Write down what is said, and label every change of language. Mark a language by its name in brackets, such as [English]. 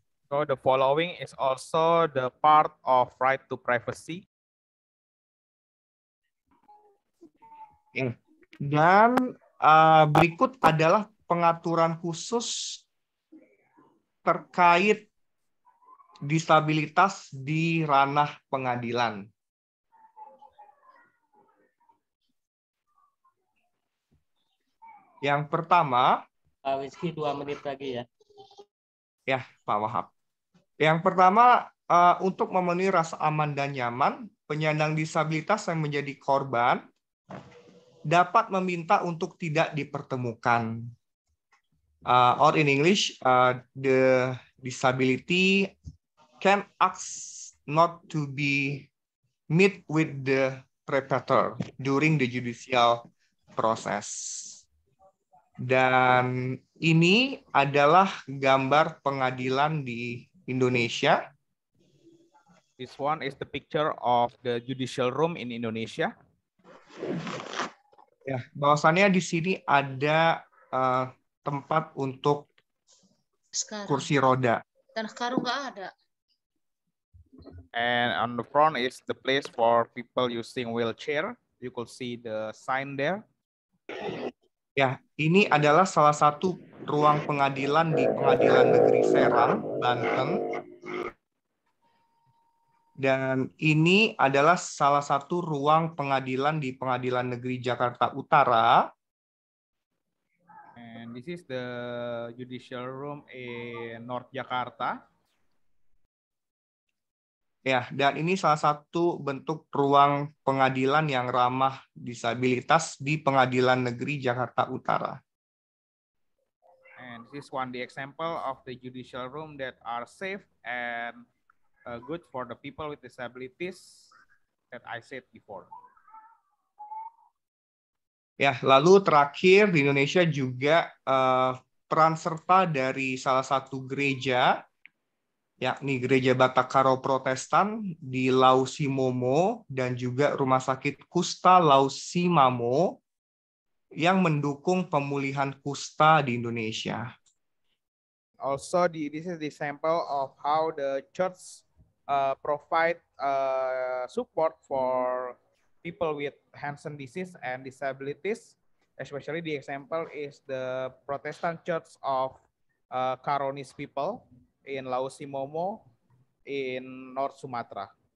[English] So the following is also the part of right to privacy. [Indonesian] Dan berikut adalah pengaturan khusus terkait disabilitas di ranah pengadilan. Yang pertama, Whisky 2 menit lagi ya. Ya, Pak Wahab. Yang pertama, untuk memenuhi rasa aman dan nyaman, penyandang disabilitas yang menjadi korban dapat meminta untuk tidak dipertemukan. [English] Or in English, the disability can ask not to be meet with the perpetrator during the judicial process. [Indonesian] Dan ini adalah gambar pengadilan di Indonesia. [English] This one is the picture of the judicial room in Indonesia. [Indonesian] Ya, bahwasannya di sini ada tempat untuk sekarang kursi roda. Dan sekarang nggak ada. [English] And on the front is the place for people using wheelchair. You could see the sign there. [Indonesian] Ya, ini adalah salah satu ruang pengadilan di Pengadilan Negeri Serang, Banten. Dan ini adalah salah satu ruang pengadilan di Pengadilan Negeri Jakarta Utara. [English] And this is the judicial room in North Jakarta. [Indonesian] Ya, dan ini salah satu bentuk ruang pengadilan yang ramah disabilitas di Pengadilan Negeri Jakarta Utara. [English] And this is one the example of the judicial room that are safe and good for the people with disabilities that I said before. [Indonesian] Ya, lalu terakhir di Indonesia juga peran serta dari salah satu gereja, yakni Gereja Batakaro Protestan di Lausimomo dan juga Rumah Sakit Kusta Lausimamo yang mendukung pemulihan kusta di Indonesia. [English] Also, this is the sample of how the church provide support for people with Hansen disease and disabilities. Especially the example is the Protestant Church of Karonis people in Lausimomo in North Sumatra.